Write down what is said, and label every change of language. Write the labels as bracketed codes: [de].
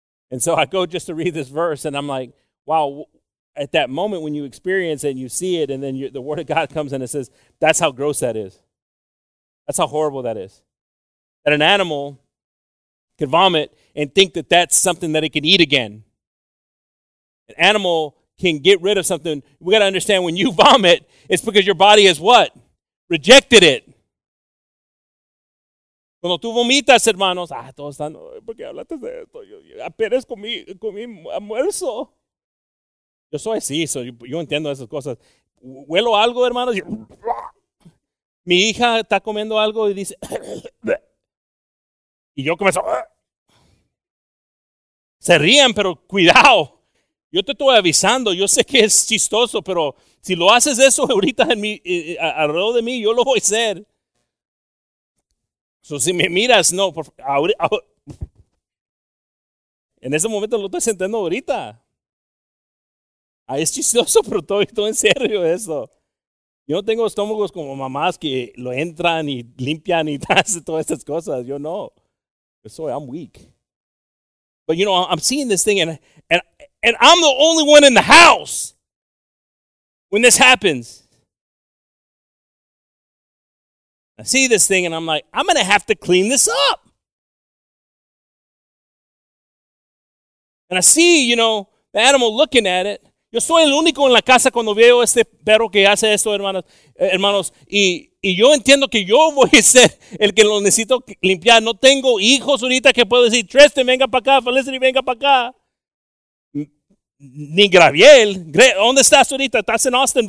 [en] And so I go just to read this verse, and I'm like, wow, at that moment when you experience it and you see it, and then the word of God comes in and says, that's how gross that is. That's how horrible that is. That an animal could vomit and think that that's something that it can eat again. An animal can get rid of something. We got to understand, when you vomit, it's because your body has what? Rejected it. [es] Cuando tú vomitas, hermanos, todos están, ¿por qué hablaste de esto? Yo apenas comí almuerzo. Yo soy así, yo entiendo esas cosas. Huelo algo, hermanos. Mi hija está comiendo algo y dice, y yo comienzo. Se ríen, pero cuidado. Yo te estoy avisando. Yo sé que es chistoso, pero si lo haces eso ahorita alrededor de mí, yo lo voy a hacer. So, si me miras, no. En ese momento lo estoy sintiendo ahorita. Es chistoso, pero estoy en serio eso. Yo no tengo estómagos como mamás que lo entran y limpian y hacen todas estas cosas. Yo no. [en] So I'm weak. But, you know, I'm seeing this thing, and I'm the only one in the house when this happens. I see this thing, and I'm like, I'm going to have to clean this up. And I see, you know, the animal looking at it. [es] Yo soy el único en la casa cuando veo este perro que hace esto, hermanos. Y yo entiendo que yo voy a ser el que lo necesito limpiar. No tengo hijos ahorita que puedo decir, Tristan, venga para acá. Felicity, venga para acá. Ni Graviel. ¿Dónde estás ahorita? Estás en Austin.